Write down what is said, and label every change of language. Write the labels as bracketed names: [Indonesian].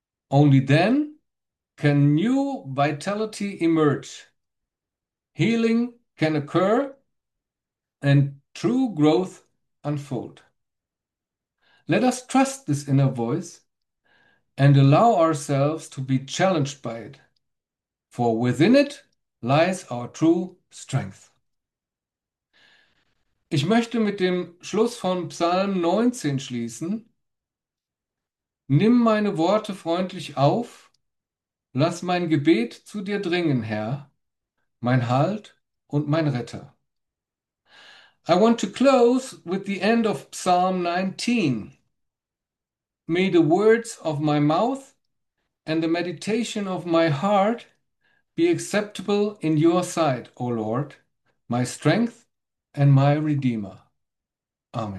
[English] Only then can new vitality emerge, healing can occur, and true growth unfold. Let us trust this inner voice and allow ourselves to be challenged by it, for within it lies our true strength. [German] Ich möchte mit dem Schluss von Psalm 19 schließen. Nimm meine Worte freundlich auf, lass mein Gebet zu dir dringen, Herr, mein Halt und mein Retter. [English] I want to close with the end of Psalm 19. May the words of my mouth and the meditation of my heart be acceptable in your sight, O Lord, my strength and my redeemer. Amen.